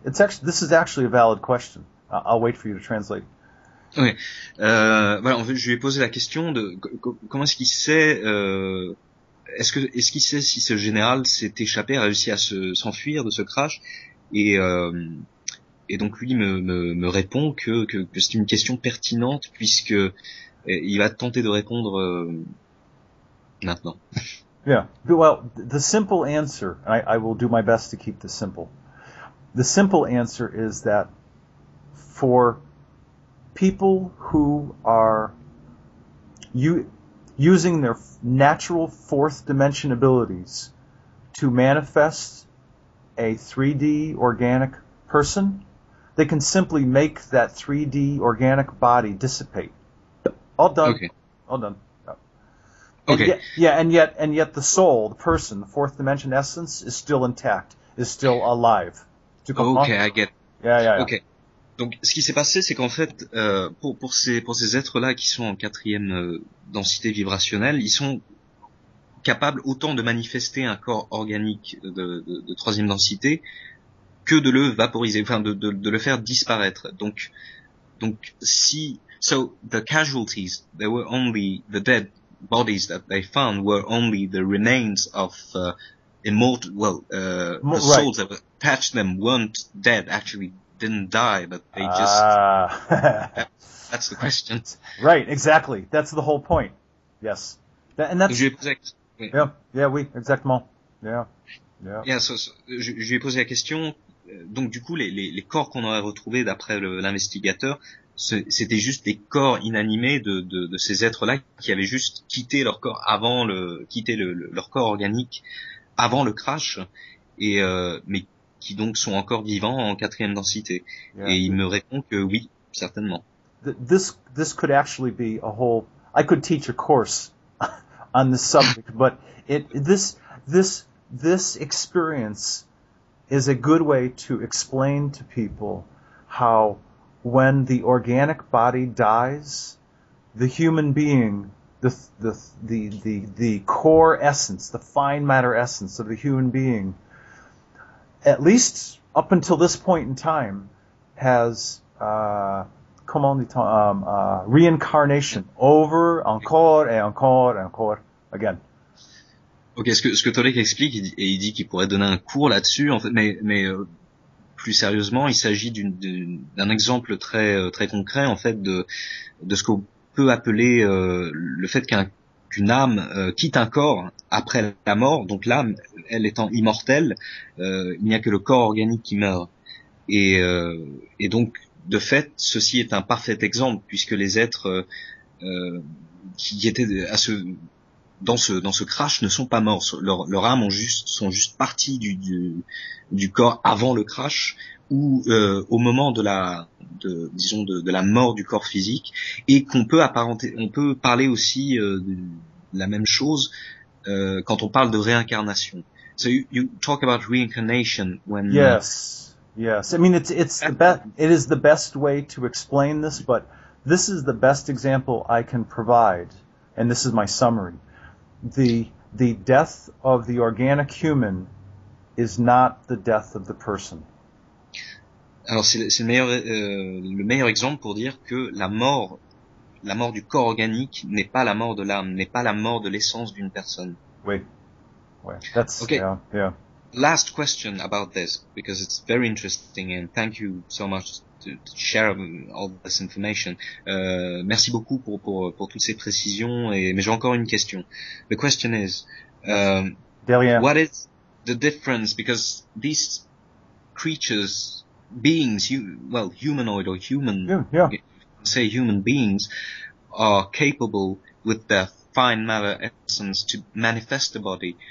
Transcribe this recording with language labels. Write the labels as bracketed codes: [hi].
[en] This is actually a valid question. I'll wait for you to translate. Okay. [fr] Voilà, en fait, je lui ai posé la question de comment est-ce qu'il sait est-ce qu'il sait si ce général s'est échappé, a réussi à s'enfuir de ce crash, et donc lui me répond que c'est une question pertinente puisque il va tenter de répondre maintenant. [en] Yeah. Well, the simple answer, I will do my best to keep this simple. The simple answer is that for people who are using their natural fourth dimension abilities to manifest a 3D organic person, they can simply make that 3D organic body dissipate. All done. Okay. All done. Okay. And yet the soul, the person, the fourth dimension essence is still intact, is still alive. Okay. [fr] Donc, ce qui s'est passé, c'est qu'en fait, pour ces êtres-là qui sont en quatrième densité vibrationnelle, ils sont capables autant de manifester un corps organique de troisième densité que de le vaporiser, enfin de le faire disparaître. Donc, [en] the casualties, they were only the dead bodies that they found were only the remains of immortal. Well, the right. souls that attached them weren't dead actually. Didn't die, but they just. that's the question. Right, exactly. That's the whole point. Yes, and that's. [fr] Exactement. [en] Yeah. Yeah. [fr] So, je lui ai posé la question. Donc, du coup, les corps qu'on aurait retrouvés d'après l'investigateur c'était juste des corps inanimés de ces êtres-là qui avaient juste quitté leur corps avant leur corps organique avant le crash, mais qui donc sont encore vivants en quatrième densité. [en] Yeah. [fr] Et il me répond que oui, certainement. [en] This could actually be a whole. I could teach a course on this subject, but this experience is a good way to explain to people how when the organic body dies, the human being, the core essence, the fine matter essence of the human being, at least up until this point in time, has reincarnation over, encore again. [fr] Ok, ce que Tolek explique, il dit qu'il pourrait donner un cours là-dessus, en fait, plus sérieusement, il s'agit d'un exemple très très concret, en fait, de ce qu'on peut appeler le fait qu'une âme quitte un corps après la mort. Donc l'âme, elle étant immortelle, il n'y a que le corps organique qui meurt. Et donc, de fait, ceci est un parfait exemple, puisque les êtres qui étaient dans ce crash ne sont pas morts, leur âme sont juste partis du corps avant le crash ou au moment de la mort du corps physique, et qu'on peut parler aussi de la même chose quand on parle de réincarnation. [en] So you talk about reincarnation when yes I mean it is the best way to explain this, but this is the best example I can provide, and this is my summary. The death of the organic human is not the death of the person. [fr] Alors c'est le meilleur exemple pour dire que la mort du corps organique n'est pas la mort de l'âme, n'est pas la mort de l'essence d'une personne. Oui. Oui. That's [en] okay. Yeah. Last question about this, because it's very interesting, and thank you so much to share all this information. [fr] Merci beaucoup pour toutes ces précisions, mais j'ai encore une question. [en] The question is, what is the difference, because these creatures, beings, humanoid or human, say human beings, are capable with their fine matter essence to manifest the body.